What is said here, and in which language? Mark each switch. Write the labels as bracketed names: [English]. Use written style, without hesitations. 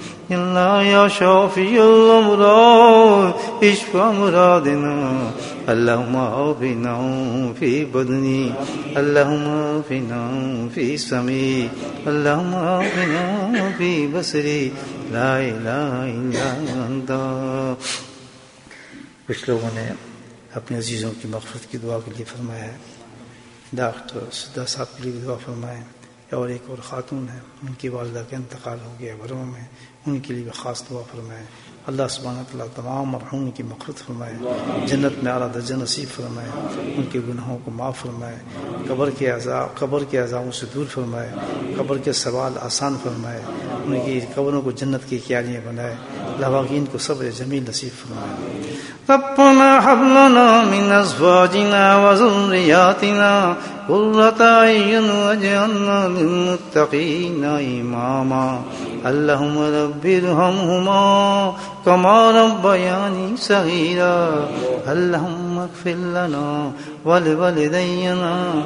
[Arabic] إلا يا شافي الأمراض اشف مرادنا اللهم عافنا في بدني اللهم عافنا في سمي اللهم عافنا في بصري لا إله إلا أنت [Urdu] کچھ لوگوں نے اپنے عزیزوں کی مغفرت کی دعا کے لیے فرمایا ہے ڈاکٹر سدا صاحب کے لیے دعا فرمائے اور ایک اور خاتون ہیں ان کی والدہ کا انتقال ہو گیا بروم میں ان کے لیے بھی خاص دعا فرمائے اللہ سبحانہ تعالیٰ تمام مرحوم کی مغفرت فرمائے جنت میں اعلیٰ درجہ نصیب فرمائے ان کے گناہوں کو معاف فرمائے قبر کے عذابوں سے دور فرمائے قبر کے سوال آسان فرمائے ان کی قبروں کو جنت کی کیاریاں بنائے لواغین کو صبر جمیل نصیب فرمائے [Arabic] ربنا هب لنا من ازواجنا وذرياتنا قرة اعين واجعلنا للمتقين اماما اللهم رب ارحمهما كما ربياني صغيرا اللهم اغفر لنا ولوالدينا